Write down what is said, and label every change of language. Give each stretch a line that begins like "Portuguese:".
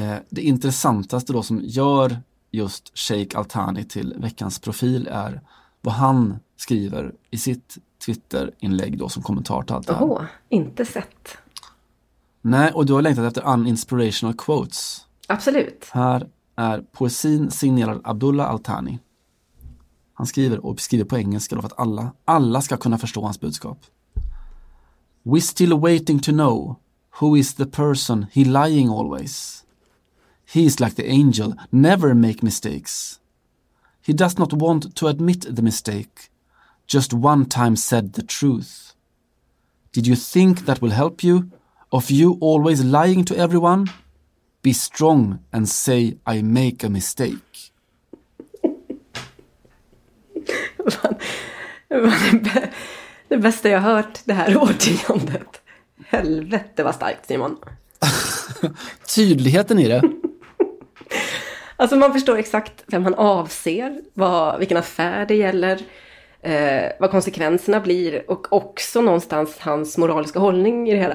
Swedish: Det intressantaste då som gör just Sheikh Al-Thani till veckans profil är vad han skriver i sitt Twitter-inlägg då som kommentar till allt det här. Oho, inte sett. Nej, och du har längtat efter
English: uninspirational quotes.
Swedish: Absolut. Här är poesin signerad Abdullah Al-Thani. Han skriver och beskriver på engelska då för att alla ska kunna förstå hans budskap.
English: We're still waiting to know who is the person he lying always. He's like the angel, never make mistakes. He does not want to admit the mistake. Just one time said the truth. Did you think that will help you? Of you always lying to everyone? Be strong and say I make a mistake.
Swedish: Det bästa jag hört det här årtiondet. Helvete vad starkt, Simon. Tydligheten i det. Alltså man förstår exakt vem han avser, vilken affär det gäller, vad konsekvenserna blir och också någonstans hans moraliska hållning i det hela.